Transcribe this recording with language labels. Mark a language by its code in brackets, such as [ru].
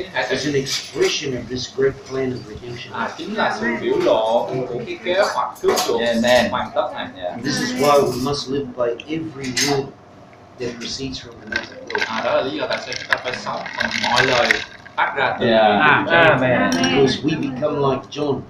[en] It's an expression of this great plan of redemption. [vi] Chính là sự biểu lộ của cái kế hoạch cứu chuộc hoàn tất này. [en] This is why we must live by every word that proceeds from the mouth of God. [vi] Đó là lý do tại sao chúng ta phải sống bằng mọi lời phát ra từ [en] Because we become like John.